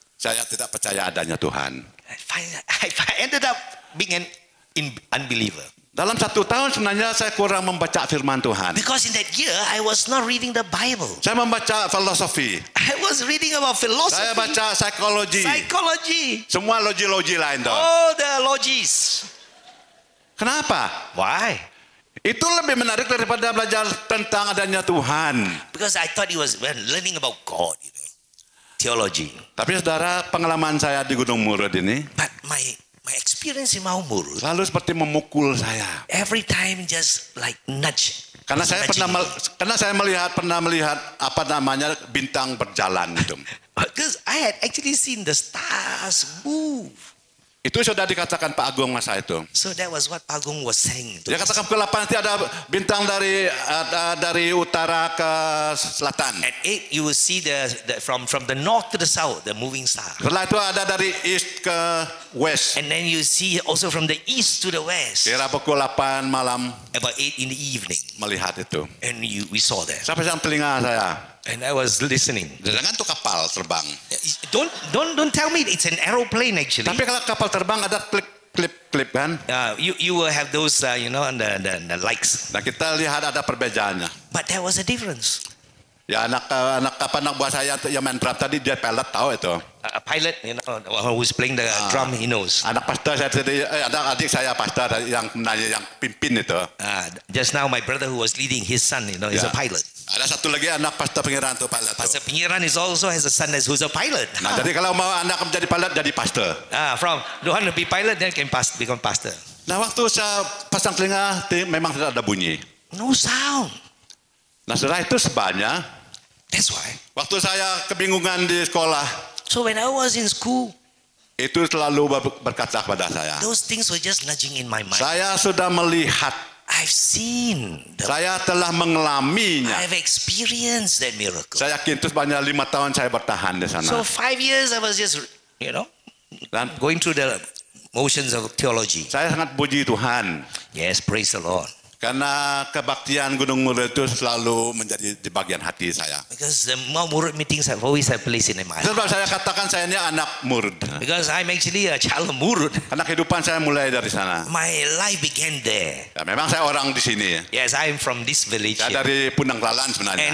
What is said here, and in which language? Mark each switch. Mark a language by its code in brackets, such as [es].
[id] Saya tidak percaya adanya Tuhan. [en] I ended up being an unbeliever. [id] Dalam satu tahun sebenarnya saya kurang membaca firman Tuhan. [en] Because in that year I was not reading the Bible. [id] Saya membaca filosofi. [en] I was reading about philosophy. [id] Saya baca psikologi. [en] Psychology. [id] Semua logi-logi lain dong. [en] All the logis. [id] Kenapa? [en] Why? [id] Itu lebih menarik daripada belajar tentang adanya Tuhan. [en] Because I thought it was learning about God, you know. Theology. [id] Tapi saudara, pengalaman saya di Gunung Murud ini. [en] But my experience in Mount Murud. [id] Selalu seperti memukul saya. [en] Every time just like nudge. [id] Karena saya pernah melihat apa namanya bintang berjalan itu. [en] Because I had actually seen the stars move. [id] Itu sudah dikatakan Pak Agung masa itu. [en] So that was what Pak Agung was saying. [id] Dia katakan pukul 8 nanti ada bintang dari utara ke selatan. [en] At 8 you will see the from the north to the south, the moving star. [id] Setelah itu ada dari east ke west. [en] And then you see also from the east to the west. [id] Kira pukul 8 malam. [en] About 8 in the evening. [id] Melihat itu. [en] And we saw that. [id] Sampai sang telinga saya. [en] And I was listening. [id] Jangan tuh kapal terbang. [en] Don't tell me it's an aeroplane actually. [id] Tapi kalau kapal terbang ada klip klip klip kan? [en] You will have those you know the lights. [id] Nah kita lihat ada perbedaannya. [en] But there was a difference. [id] Ya anak buah saya yang main drum tadi dia pilot tahu itu. [en] A pilot you know who's playing the drum he knows. [id] Anak pastor saya tadi ada adik saya pastor yang pimpin itu. [en] Just now my brother who was leading his son you know is a pilot. [id] Ada satu lagi anak pastor pengiran itu pilot. [en] Pastor pengiran is also has a son who's a pilot. [id] Nah, jadi kalau mau anak menjadi pilot jadi pastor. [en] From you want to be pilot then can become pastor. [id] Nah, waktu saya pasang telinga memang tidak ada bunyi. [en] No sound. [id] Nah setelah itu sebabnya. [en] That's why. [id] Waktu saya kebingungan di sekolah. [en] So when I was in school. [id] Itu selalu berkata kepada saya. [en] Those things were just nudging in my mind. [id] Saya sudah melihat. [en] I've seen. [id] Saya telah mengalaminya. [en] I've experienced that miracle. [id] Saya yakin itu sebabnya 5 tahun saya bertahan di sana. [en] So 5 years I was just, you know. Dan going through the motions of theology. [id] Saya sangat puji Tuhan. [en] Yes, praise the Lord. [id] Karena kebaktian Gunung Murud itu selalu menjadi di bagian hati saya. [en] Because the Mount Murud meetings have always had place in my heart. [id] Saya katakan saya ini anak Murud. [en] Because I'm actually a child of Murud. [id] Karena kehidupan saya mulai dari sana. [en] My life began there. [id] Ya, memang saya orang di sini. [en] Yes, I'm from this village. [id] Saya dari Punang Lalan sebenarnya.